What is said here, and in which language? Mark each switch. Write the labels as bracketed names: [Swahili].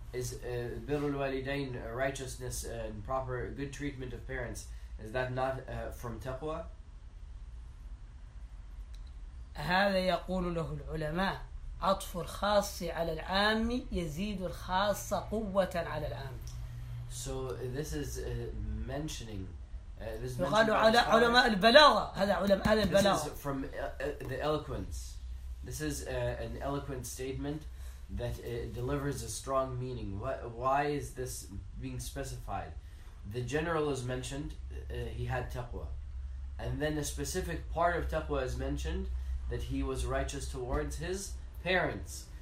[English] Is [Arabic] بر الوالدين [English] righteousness and proper good treatment of parents, is that not from taqwa? [Arabic] هذا يقول له العلماء عطف الخاص على العام يزيد الخاص قوة على العام. [English] So this is mentioning [Arabic] يقال على علماء البلاغة هذا علماء البلاغة. [English] This is from the eloquence. This is an eloquent statement that delivers a strong meaning. Why is this being specified? The general is mentioned, he had taqwa. And then a specific part of taqwa is mentioned, that he was righteous towards his parents.